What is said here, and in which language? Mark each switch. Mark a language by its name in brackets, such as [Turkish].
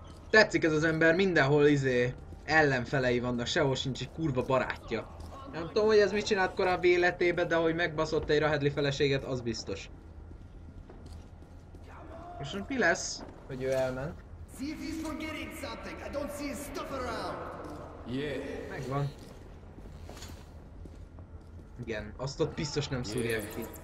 [Hungarian] Tetszik ez az ember, mindenhol izé ellenfelei vannak, sehol sincs egy kurva barátja. Nem tudom, hogy ez mit csinált korábbi életében, de hogy megbaszott egy Rahedli feleséget, az biztos. És most mi lesz, hogy ő elment? [English] See if he's forgetting something. I don't see his stuff around. Yeah. [Hungarian] Megvan. Igen, azt ott biztos nem szúrják ki.